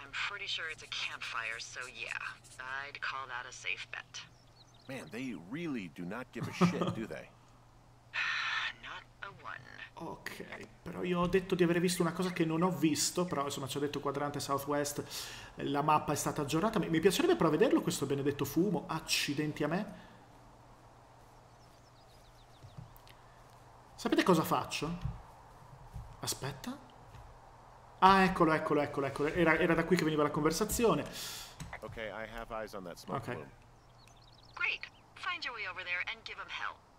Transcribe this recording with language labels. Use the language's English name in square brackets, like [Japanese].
[English] I'm pretty sure it's a campfire, so yeah. I'd call that a safe bet. Man, they really do not give a shit, do they? Not a one. [Italian] Ok, però io ho detto di aver visto una cosa che non ho visto, però insomma ci ha detto quadrante southwest, la mappa è stata aggiornata. Mi piacerebbe però vederlo, questo benedetto fumo. Accidenti a me. Sapete cosa faccio? Aspetta. Ah, eccolo, eccolo, eccolo, eccolo. Era da qui che veniva la conversazione. [English] Ok, I have eyes on that smoke plume. Great. Find your way over there and give them hell.